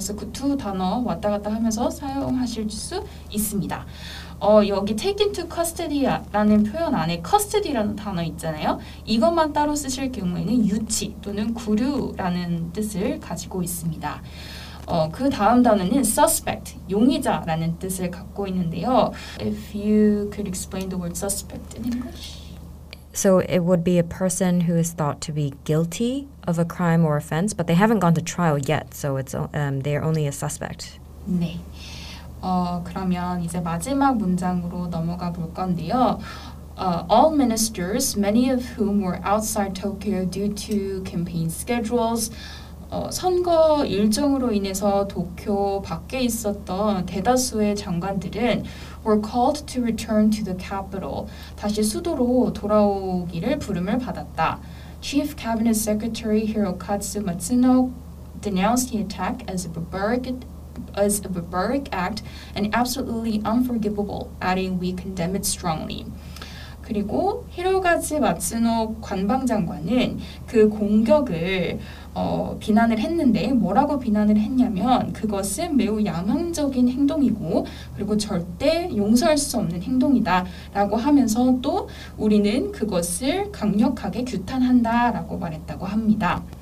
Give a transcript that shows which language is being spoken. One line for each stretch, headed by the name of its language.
Korean: 그래서 그 두 단어 왔다 갔다 하면서 사용하실 수 있습니다. 여기 take into custody라는 표현 안에 custody라는 단어 있잖아요. 이것만 따로 쓰실 경우에는 유치 또는 구류라는 뜻을 가지고 있습니다. 그 다음 단어는 suspect, 용의자라는 뜻을 갖고 있는데요.
English: If you could explain the word suspect in English. So it would be a person who is thought to be guilty of a crime or offense, but they haven't gone to trial yet, so they're only a suspect.
Korean: 네. 그러면 이제 마지막 문장으로 넘어가 볼 건데요.
English: All ministers, many of whom were outside Tokyo due to campaign schedules,
Korean: 선거 일정으로 인해서 도쿄 밖에 있었던 대다수의 장관들은
English: were called to return to the capital,
Korean: 다시 수도로 돌아오기를 부름을 받았다.
English: Chief Cabinet Secretary Hirokazu Matsuno denounced the attack as a barbaric act and absolutely unforgivable, adding, "We condemn it strongly."
Korean: 그리고 히로가즈 마츠노 관방장관은 그 공격을 비난을 했는데 뭐라고 비난을 했냐면 그것은 매우 야만적인 행동이고 그리고 절대 용서할 수 없는 행동이다 라고 하면서 또 우리는 그것을 강력하게 규탄한다 라고 말했다고 합니다.